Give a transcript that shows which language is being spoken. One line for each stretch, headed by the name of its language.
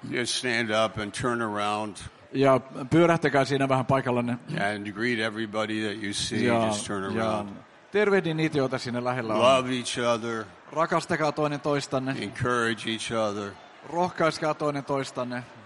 English: Just stand up and turn around.
Finnish: Ja pyörähtäkää siinä vähän paikallanne.
English: And greet everybody that you see, ja, just turn around.
Finnish: Ja tervehdi niitä, joita siinä lähellä on.
English: Love each other.
Finnish: Rakastakaa toinen toistanne.
English: Encourage each other.
Finnish: Rohkaiskaa toinen toistanne.